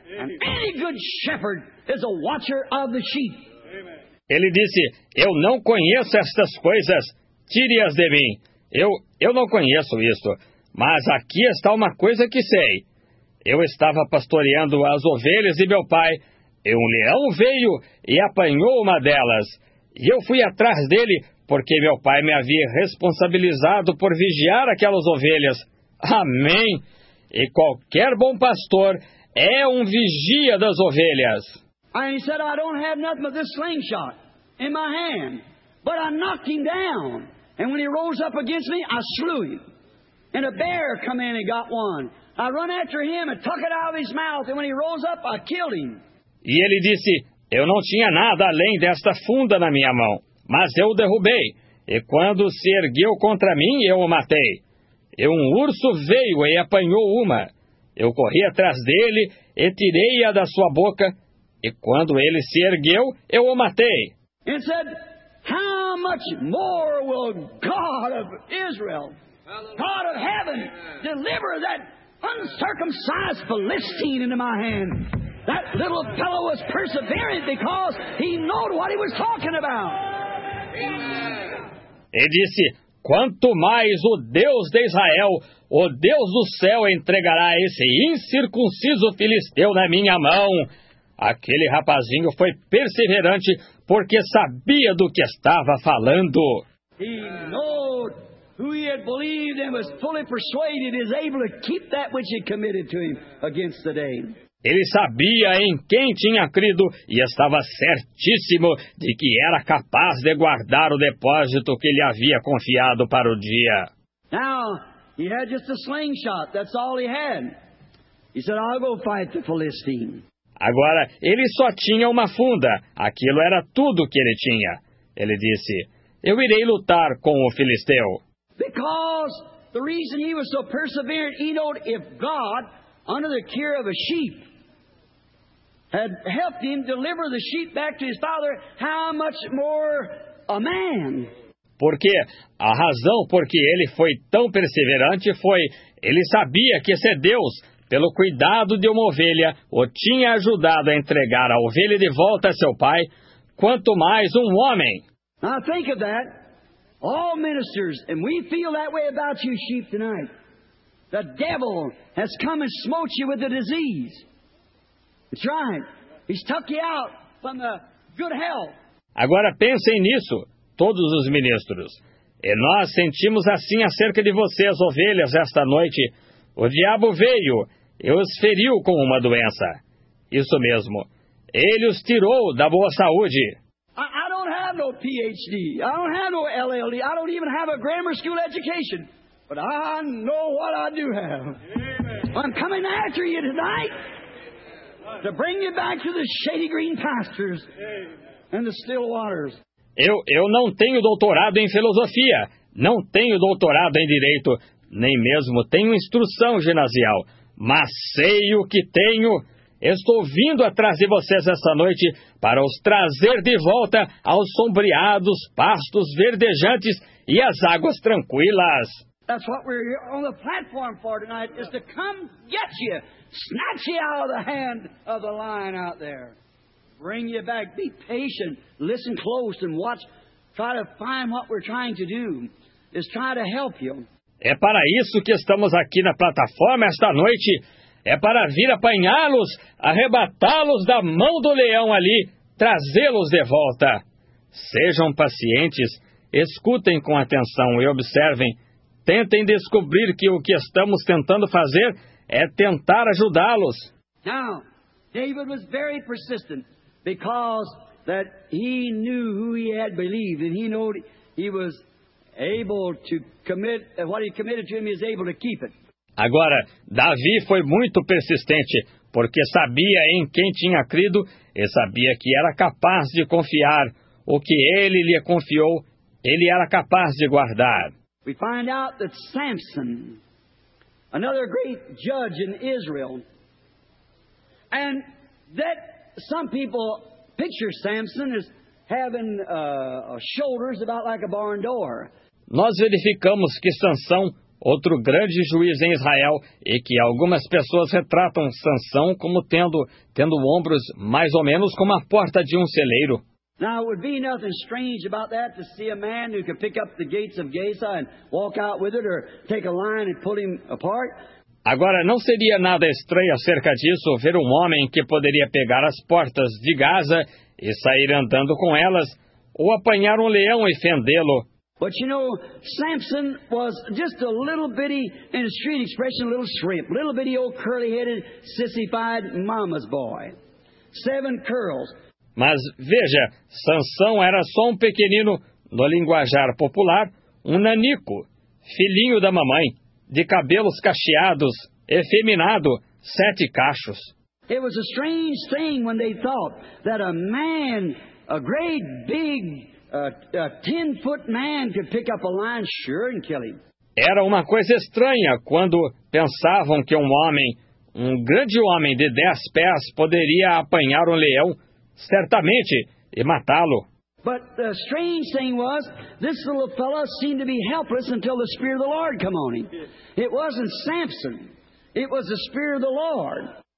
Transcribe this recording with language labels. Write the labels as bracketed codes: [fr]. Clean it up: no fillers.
[en] And any good shepherd is a watcher of the sheep. [pt] Ele disse, eu não conheço estas coisas. Tire-as de mim. Eu não conheço isto. Mas aqui está uma coisa que sei. Eu estava pastoreando as ovelhas de meu pai... E um leão veio e apanhou uma delas. E eu fui atrás dele, porque meu pai me havia responsabilizado por vigiar aquelas ovelhas. Amém! E qualquer bom pastor é um vigia das ovelhas. [en] I said, I don't have nothing but this slingshot in my hand. But I knocked him down. And when he rose up against me, I slew him. And a bear come in and got one. I run after him and took it out of his mouth. And when he rose up, I killed him. [pt] E ele disse, eu não tinha nada além desta funda na minha mão, mas eu o derrubei, e quando se ergueu contra mim, eu o matei. E um urso veio e apanhou uma. Eu corri atrás dele e tirei-a da sua boca, e quando ele se ergueu, eu o matei. E ele disse, [en] how much more will God of Israel, God of heaven, deliver that uncircumcised Philistine into my hand? That little fellow was persevering because he knew what he was talking about. [pt] E disse, quanto mais o Deus de Israel, o Deus do céu, entregará esse incircunciso filisteu na minha mão. Aquele rapazinho foi perseverante porque sabia do que estava falando. [en] He knew who he had believed and was fully persuaded is able to keep that which he committed to him against the day. [pt] Ele sabia em quem tinha crido e estava certíssimo de que era capaz de guardar o depósito que ele havia confiado para o dia. [en] Now, he had just a slingshot, that's all he had. He said, I'll go fight the Philistine. [pt] Agora, ele só tinha uma funda, aquilo era tudo que ele tinha. Ele disse, eu irei lutar com o Filisteu. [en] Because the reason he was so persevering, he knew if God... under the care of a sheep, had helped him deliver the sheep back to his father, how much more a man? [pt] Porque a razão por que ele foi tão perseverante foi, ele sabia que esse Deus, pelo cuidado de uma ovelha, o tinha ajudado a entregar a ovelha de volta a seu pai, quanto mais um homem. [en] Now think of that, all ministers, and we feel that way about you sheep tonight. The devil has come and smote you with a disease. That's right. He's tucked you out from the good health. [pt] Agora pensem nisso, todos os ministros. E nós sentimos assim acerca de vocês, ovelhas, esta noite. O diabo veio e os feriu com uma doença. Isso mesmo. Ele os tirou da boa saúde. [en] I don't have no PhD. I don't have no LLD. I don't even have a grammar school education. But I know what I do have. I'm coming after you tonight to bring you back to the shady green pastures and the still waters. [pt] Eu não tenho doutorado em filosofia, não tenho doutorado em direito, nem mesmo tenho instrução ginasial. Mas sei o que tenho Estou vindo atrás de vocês essa noite para os trazer de volta aos sombreados pastos verdejantes e às águas tranquilas. [en] That's what we're here on the platform for tonight, is to come get you, snatch you out of the hand of the lion out there. Bring you back, be patient, listen close and watch, try to find what we're trying to do, is try to help you. [pt] É para isso que estamos aqui na plataforma esta noite. É para vir apanhá-los, arrebatá-los da mão do leão ali, trazê-los de volta. Sejam pacientes, escutem com atenção e observem. Tentem descobrir que o que estamos tentando fazer é tentar ajudá-los. [en] Now, David was very persistent because that he knew who he had believed and he knew he was able to commit what he committed to him is able to keep it. [pt] Agora, Davi foi muito persistente, porque sabia em quem tinha crido e sabia que era capaz de confiar. O que ele lhe confiou, ele era capaz de guardar. [en] We find out that Samson, another great judge in Israel, and that some people picture Samson as having shoulders about like a barn door. [pt] Nós verificamos que Sansão, outro grande juiz em Israel, e que algumas pessoas retratam Sansão como tendo ombros mais ou menos como a porta de um celeiro. [en] Now, it would be nothing strange about that to see a man who could pick up the gates of Gaza and walk out with it or take a lion and pull him apart. [pt] Agora, não seria nada estranho acerca disso ver um homem que poderia pegar as portas de Gaza e sair andando com elas ou apanhar um leão e fendê-lo. [en] But you know, Samson was just a little bitty, in a street expression, a little shrimp, little bitty old curly-headed, sissified mama's boy. Seven curls. [pt] Mas veja, Sansão era só um pequenino, no linguajar popular, um nanico, filhinho da mamãe, de cabelos cacheados, efeminado, sete cachos. [en] It was a strange thing when they thought that a man, a great big a 10-foot man could pick up a lion sure and kill him. [pt] Era uma coisa estranha quando pensavam que um grande homem de 10 pés poderia apanhar um leão certamente e matá-lo. [en] But the strange thing was, this little fellow seemed to be helpless until the spear of the Lord came on him. It wasn't Samson, it was the spear of the Lord.